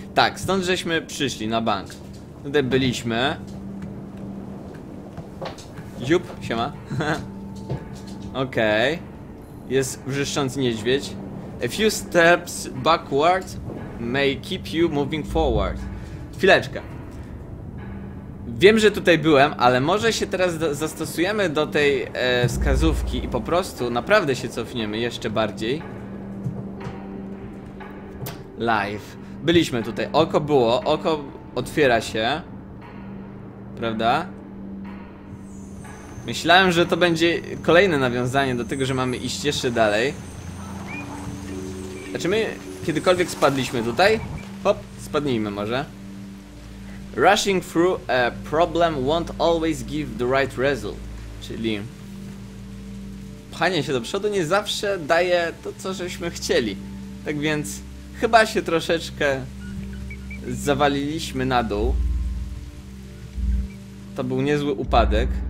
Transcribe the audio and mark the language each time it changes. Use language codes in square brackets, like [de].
[pl] Tak, stąd żeśmy przyszli na bank. Tutaj byliśmy. Ziup, siema. Okej, okay. Jest wrzeszczący niedźwiedź. [en] A few steps backwards may keep you moving forward. [pl] Chwileczkę. Wiem, że tutaj byłem, ale może się teraz zastosujemy do tej wskazówki i po prostu naprawdę się cofniemy jeszcze bardziej. Life. Byliśmy tutaj. Oko było, oko otwiera się. Prawda? Myślałem, że to będzie kolejne nawiązanie do tego, że mamy iść jeszcze dalej. Znaczy my kiedykolwiek spadliśmy tutaj? Hop, spadnijmy może. [en] Rushing through a problem won't always give the right result. [pl] Czyli pchanie się do przodu nie zawsze daje to, co żeśmy chcieli. Tak więc chyba się troszeczkę zawaliliśmy na dół. To był niezły upadek.